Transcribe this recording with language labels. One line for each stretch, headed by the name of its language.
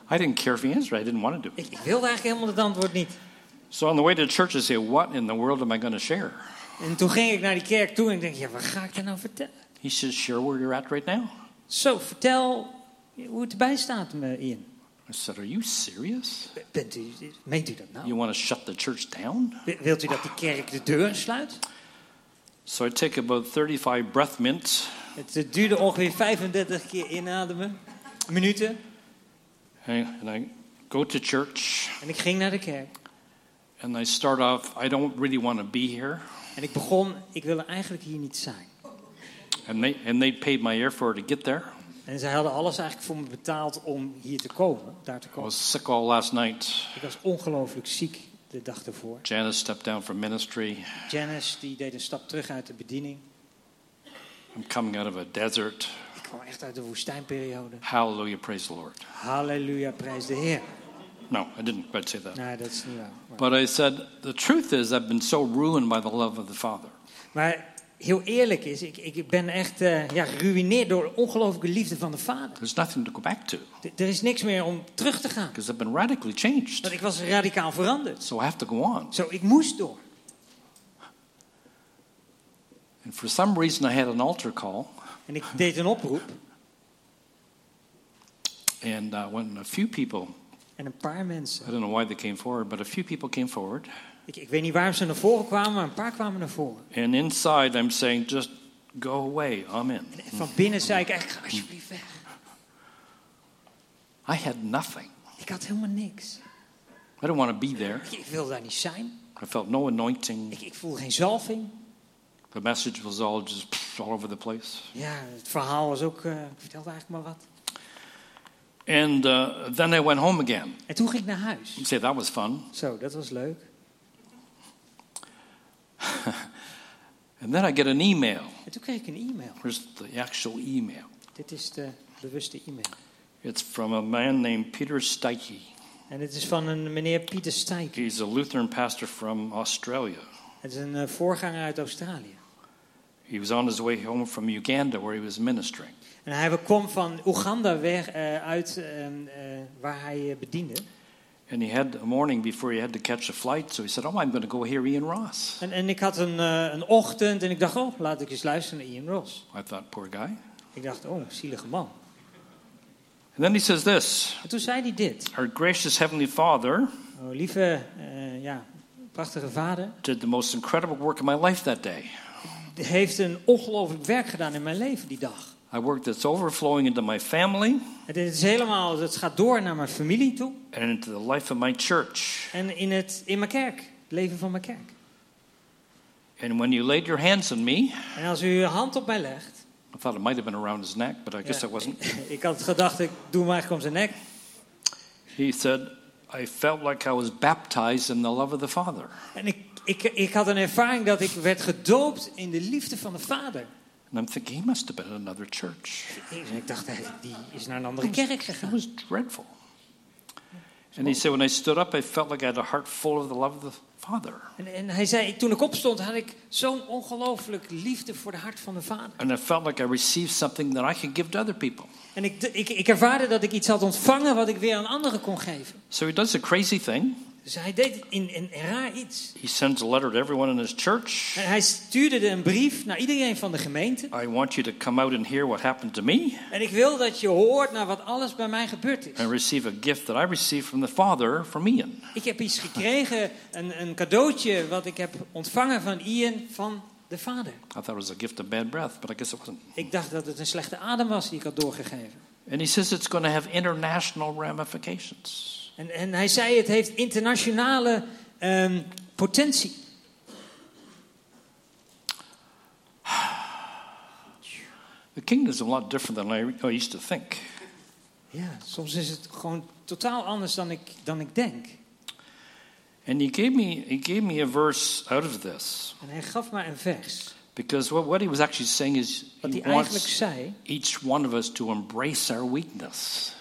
English: I didn't care if he answered. I didn't want to do it.
Dutch: Ik wilde eigenlijk helemaal het antwoord niet.
English: So on the way to the church, I say, what in the world am I going to share?
Dutch: En toen ging ik naar die kerk toe en ik denk, ja, wat ga ik daar nou vertellen?
English: He says, share where you're at right now.
Dutch: So, vertel hoe het erbij staat, Ian.
English: I said, are you serious?
Dutch: Meent u dat nou?
English: You want to shut the church down?
Dutch: Wilt u dat die kerk de deuren sluit?
English: So I take about 35 breath mints.
Dutch: Het duurde ongeveer 35 keer inademen. Minuten.
English: And I go to church.
Dutch: En ik ging naar de kerk.
English: And I start off, I don't really want to be here.
Dutch: En ik begon, ik wil eigenlijk hier niet zijn.
English: And they paid my airfare to get there.
Dutch: En ze hadden alles eigenlijk voor me betaald om hier te komen, daar te komen.
English: I was sick all last night.
Dutch: Ik was ongelooflijk ziek de dag ervoor.
English: Janice stepped down from ministry.
Dutch: Janice die deed een stap terug uit de bediening.
English: I'm coming out of a desert.
Dutch: Ik kwam echt uit de woestijnperiode.
English: Hallelujah, praise the Lord.
Dutch: Hallelujah, prijs de Heer.
English: No, I didn't quite say that.
Dutch: Nee, dat is niet waar.
English: But I said, the truth is, I've been so ruined by the love of the Father.
Dutch: Maar heel eerlijk is, ik ben echt geruïneerd door de ongelooflijke liefde van de Vader.
English: There's nothing to go back to.
Dutch: Er is niks meer om terug te gaan.
English: Because I've been radically changed.
Dutch: Want ik was radicaal veranderd.
English: So I have to go on.
Dutch: So ik moest door.
English: And for some reason I had an altar call.
Dutch: En ik deed een oproep.
English: And when a few people.
Dutch: En een paar mensen.
English: I don't know why they came forward, but a few people came forward.
Dutch: Ik weet niet waarom ze naar voren kwamen, maar een paar kwamen naar voren.
English: And inside I'm saying, just go away, amen.
Dutch: En van binnen zei ik, ga alsjeblieft weg.
English: I had nothing.
Dutch: Ik had helemaal niks.
English: I don't want to be there.
Dutch: Ik wilde daar niet zijn.
English: I felt no anointing.
Dutch: Ik voelde geen zalving.
English: The message was all just all over the place.
Dutch: Ja, het verhaal was ook, ik vertelde eigenlijk maar wat.
English: And then I went home again.
Dutch: En toen ging ik naar huis.
English: You say, that was fun.
Dutch: Zo, dat was leuk.
English: And then I get an email.
Dutch: En toen kreeg ik een e-mail.
English: Here's the actual email.
Dutch: Dit is de bewuste e-mail.
English: It's from a man named Peter Steike.
Dutch: En het is van een meneer Peter Steike.
English: He's a Lutheran pastor from Australia.
Dutch: Het is een voorganger uit Australië.
English: He was on his way home from Uganda where he was ministering.
Dutch: En hij kwam van Oeganda weg uit waar hij bediende.
English: And he had a morning before he had to catch a flight, so he said, "Oh, I'm going to go hear Ian Ross."
Dutch: En ik had een ochtend en ik dacht, oh, laat ik eens luisteren naar Ian Ross.
English: I thought, poor guy.
Dutch: Ik dacht, oh, zielige man.
English: And then he says this.
Dutch: En toen zei hij dit.
English: Our gracious heavenly Father.
Dutch: Oh, lieve, prachtige Vader.
English: Did the most incredible work in my life that day.
Dutch: Heeft een ongelooflijk werk gedaan in mijn leven die dag.
English: I worked that's overflowing into my family.
Dutch: Het is helemaal, het gaat door naar mijn familie toe.
English: And into the life of my church.
Dutch: En in mijn kerk, het leven van mijn kerk.
English: And when you laid your hands on me.
Dutch: En als u uw hand op mij legt.
English: I thought it might have been around his neck, but I guess it wasn't.
Dutch: Ik had gedacht, ik doe hem eigenlijk om zijn nek.
English: He said, I felt like I was baptized in the love of the Father.
Dutch: En ik had een ervaring dat ik werd gedoopt in de liefde van de Vader.
English: And I'm thinking, he must have been in another church.
Dutch: En ik dacht, die is naar een andere kerk gegaan.
English: It was dreadful. And he said, when I stood up, I felt like I had a heart full of the love of the Father.
Dutch: En hij zei, toen ik opstond, had ik zo'n ongelooflijk liefde voor de hart van de Vader.
English: And I felt like I received something that I could give to other people.
Dutch: En ik ervaarde dat ik iets had ontvangen wat ik weer aan anderen kon geven.
English: So he does a crazy thing.
Dutch: Dus hij deed een raar iets.
English: He sends a letter to everyone in his church.
Dutch: En hij stuurde een brief naar iedereen van de gemeente.
English: I want you to come out and hear what happened to me.
Dutch: En ik wil dat je hoort naar wat alles bij mij gebeurd is.
English: And receive a gift that I received from the Father from Ian.
Dutch: Ik heb iets gekregen, een cadeautje wat ik heb ontvangen van Ian van de Vader.
English: I thought it was a gift of bad breath, but I guess it wasn't.
Dutch: Ik dacht dat het een slechte adem was die ik had doorgegeven.
English: And he says it's going to have international ramifications.
Dutch: En hij zei, het heeft internationale potentie.
English: The kingdom is a lot different than I used to think.
Dutch: Ja, soms is het gewoon totaal anders dan ik denk.
English: And he gave me a verse out of this.
Dutch: En hij gaf me een vers.
English: Because what he was actually saying is
Dutch: wat
English: he
Dutch: eigenlijk
English: wants
Dutch: zei,
English: each one of us to embrace our weakness.